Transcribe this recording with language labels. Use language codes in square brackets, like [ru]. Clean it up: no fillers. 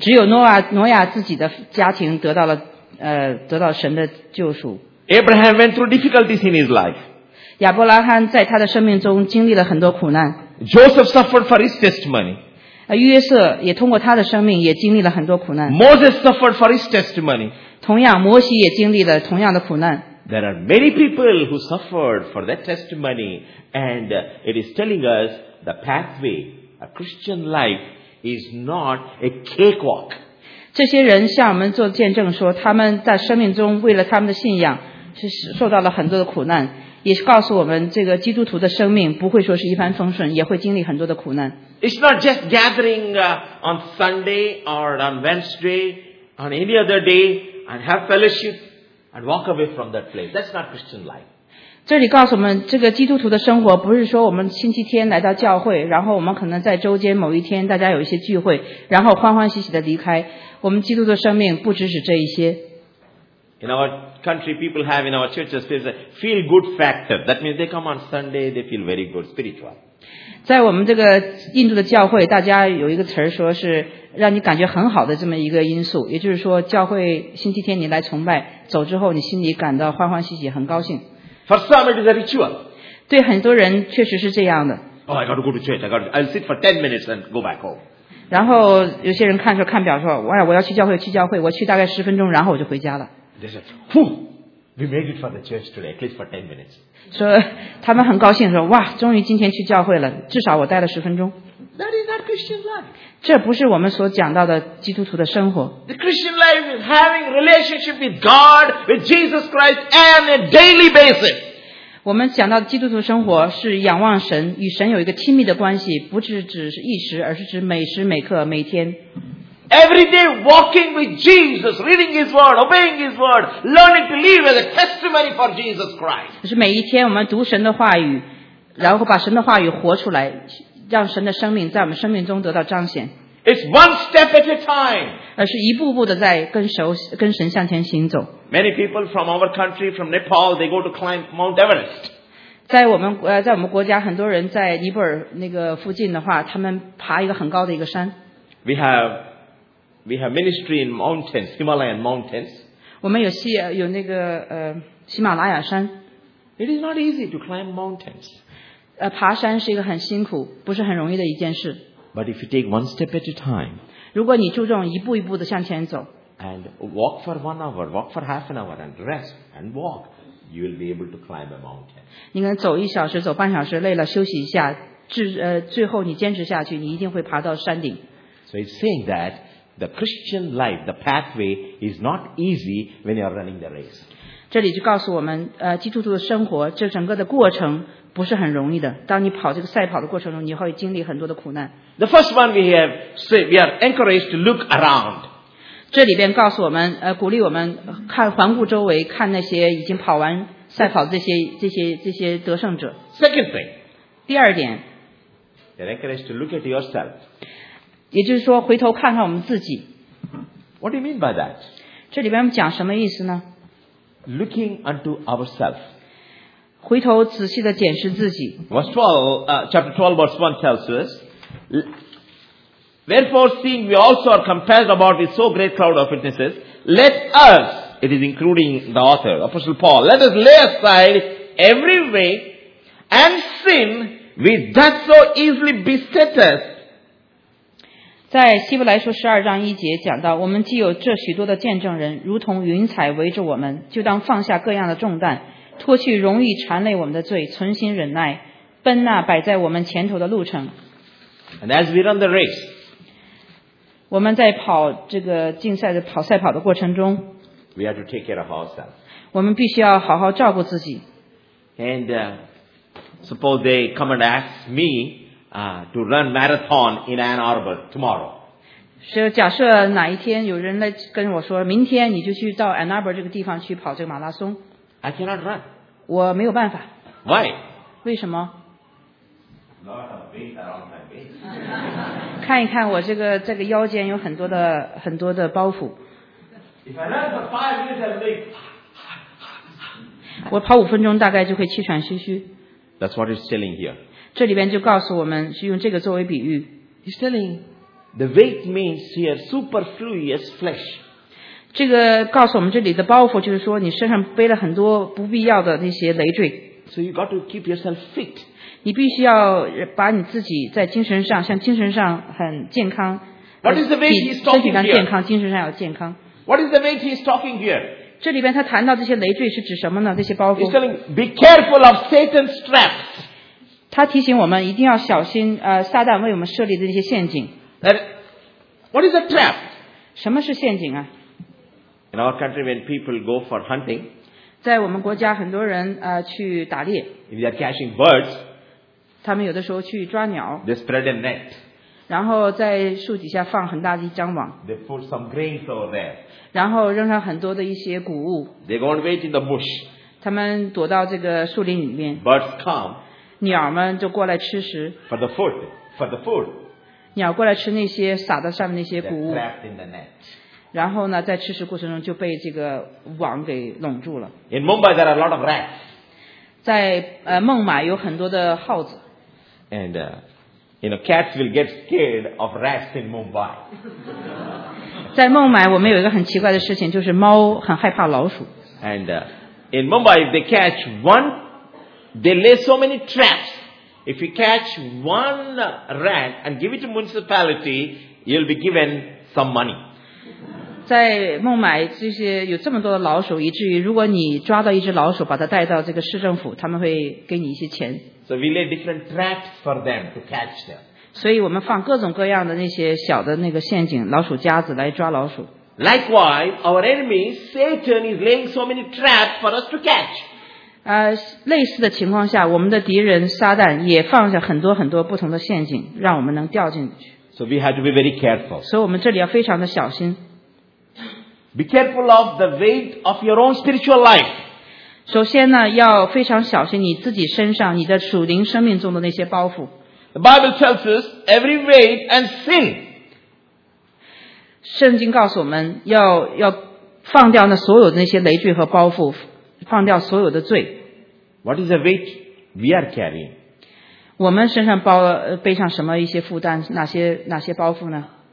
[zh] 只有诺亚自己的家庭得到了得到神的救赎。 [en] Abraham went through difficulties in his life. [zh] 亚伯拉罕在他的生命中经历了很多苦难。 [en] Joseph suffered for his testimony. [zh] 约瑟也通过他的生命也经历了很多苦难。 [en] Moses suffered for his testimony. [zh] 同样，摩西也经历了同样的苦难。 [en] There are many people who suffered for that testimony, and it is telling us the pathway, a Christian life. Is not a cakewalk. [zh] 这些人向我们做见证说，他们在生命中为了他们的信仰是受到了很多的苦难，也是告诉我们这个基督徒的生命不会说是一帆风顺，也会经历很多的苦难。 [en] It's not just gathering on Sunday or on Wednesday on any other day and have fellowship and walk away from that place. That's not Christian life. [zh] 这里告诉我们，这个基督徒的生活不是说我们星期天来到教会，然后我们可能在周间某一天大家有一些聚会，然后欢欢喜喜的离开。我们基督的生命不只是这一些。 [en] In our country, people have in our churches there's a feel good factor. That means they come on Sunday, they feel very good spiritual. [zh] 在我们这个印度的教会，大家有一个词说是让你感觉很好的这么一个因素，也就是说，教会星期天你来崇拜，走之后你心里感到欢欢喜喜，很高兴。 [en] For some, it is a ritual. [zh] 对很多人确实是这样的。 [en] Oh, I got to go to church. I'll sit for 10 minutes and go back home. [zh] 然后有些人看说看表说，哎，我要去教会，去教会，我去大概十分钟，然后我就回家了。 [en] They said, "Phew, we made it for the church today, at least for 10 minutes." [zh] 说他们很高兴说，哇，终于今天去教会了，至少我待了十分钟。 [en] That is not Christian life. [zh] 这不是我们所讲到的基督徒的生活。 [en] The Christian life is having relationship with God, with Jesus Christ, on a daily basis. [zh] 我们讲到的基督徒生活是仰望神，与神有一个亲密的关系，不是只是一时，而是指每时每刻每天。 [en] Every day walking with Jesus, reading His Word, obeying His Word, learning to live as a testimony for Jesus Christ. [zh] 就是每一天我们读神的话语，然后把神的话语活出来。让神的生命在我们生命中得到彰显。 [en] It's one step at a time. [zh] 而是一步步的在跟神向前行走。 [en] Many people from our country, from Nepal, they go to climb Mount Everest. [zh] 在我们国家，很多人在尼泊尔那个附近的话，他们爬一个很高的一个山。 [en] We have ministry in mountains, Himalayan mountains. [zh] 我们有那个喜马拉雅山。 [en] It is not easy to climb mountains. [zh] 爬山是一个很辛苦，不是很容易的一件事。 [en] But if you take one step at a time, [zh] 如果你注重一步一步的向前走 [en] ，and walk for 1 hour, walk for 30 minutes, and rest and walk, you will be able to climb a mountain. [zh] 你能走一小时，走半小时，累了休息一下，最后你坚持下去，你一定会爬到山顶。 [en] So it's saying that the Christian life, the pathway, is not easy when you are running the race. [zh] 这里就告诉我们，基督徒的生活，这整个的过程。不是很容易的。当你跑这个赛跑的过程中，你会经历很多的苦难。 [en] The first one we have, say we are encouraged to look around. [zh] 这里边告诉我们，鼓励我们看环顾周围，看那些已经跑完赛跑的这些得胜者。 [en] Second thing. [zh] 第二点。 [en] You're encouraged to look at yourself. [zh] 也就是说，回头看看我们自己。 [en] What do you mean by that? [zh] 这里边讲什么意思呢 [en] ？Looking unto ourselves. [zh] 回头仔细地检视自己。 [en] Chapter 12 verse 1 tells us, Therefore seeing we also are compassed about with so great cloud of witnesses, let us, it is including the author, Apostle Paul, let us lay aside every weight and sin which that so easily beset us. [zh] 在希伯来书12章1节讲到，我们既有这许多的见证人，如同云彩围着我们，就当放下各样的重担。脱去容易缠累我们的罪，存心忍耐，奔那摆在我们前头的路程。 [en] And as we run the race, [zh] 我们在跑这个竞赛的跑赛跑的过程中 [en] we have to take care of ourselves. [zh] 我们必须要好好照顾自己。 [en] And suppose they come and ask me to run marathon in Ann Arbor tomorrow. [zh] 是假设哪一天有人来跟我说，明天你就去到 Ann Arbor 这个地方去跑这个马拉松。 [en] I cannot run. [zh] 我没有办法。 [en] Why? [zh] 为什么？ [en] Lot of weight around my waist. [zh] 看一看我这个腰间有很多的包袱。 [en] If I run for 5 minutes a day, [zh] 我跑五分钟大概就会气喘吁吁。 [en] That's what he's telling here. [zh] 这里边就告诉我们是用这个作为比喻。 [en] He's telling. The weight means here superfluous flesh. [zh] 这个告诉我们这里的包袱就是说你身上背了很多不必要的那些累赘。 [en] So you got to keep yourself fit. [zh] 你必须要把你自己在精神上像精神上很健康。 [en] What is the weight he's talking here? [zh] 身体健康精神上要健康。 [en] What is the weight he's talking here? [zh] 这里边他谈到这些累赘是指什么呢这些包袱。 [en] He's telling, be careful of Satan's traps. [zh] 他提醒我们一定要小心撒旦为我们设立的那些陷阱。 [en] What is a trap? [zh] 什么是陷阱啊? [en] In our country, when people go for hunting, [zh] 在我们国家很多人去打猎。 [en] If they are catching birds, [zh] 他们有的时候去抓鸟。 [en] They spread a net. [zh] 然后在树底下放很大的一张网。 [en] They put some grains over there. [zh] 然后扔上很多的一些谷物。 [en] They go and wait in the bush. [zh] 他们躲到这个树林里面。 [en] Birds come. [zh] 鸟们就过来吃食。 [en] For the food. For the food. [zh] 鸟过来吃那些撒在上面那些谷物 [en] trapped in the net. [zh] 然后呢在吃食过程中就被这个网给笼住了 [en] In Mumbai there are a lot of rats [zh] 在孟买有很多的耗子 [en] And you know cats will get scared of rats in Mumbai [zh] 在孟买我们有一个很奇怪的事情就是猫很害怕老鼠 [en] And in Mumbai if they catch one they lay so many trapsIf you catch one rat and give it to municipality, you'll be given some money. [zh] 在孟买这些有这么多的老鼠，以至于如果你抓到一只老鼠，把它带到这个市政府，他们会给你一些钱。 [en] So we lay different traps for them to catch them. [zh] 所以我们放各种各样的那些小的那个陷阱，老鼠夹子来抓老鼠。 [en] Likewise, our enemy Satan is laying so many traps for us to catch. [zh] 类似的情况下我们的敌人撒旦也放下很多很多不同的陷阱让我们能掉进去 [en] so we have to be very careful [zh] 所以我们这里要非常的小心 [en] be careful of the weight of your own spiritual life [zh] 首先呢要非常小心你自己身上你的属灵生命中的那些包袱 [en] the Bible tells us every weight and sin [zh] 圣经告诉我们 要放掉那所有的那些累赘和包袱放掉所有的罪 [en] What is the weight we are carrying? [zh] 我们身上背上什么一些负担哪些包袱呢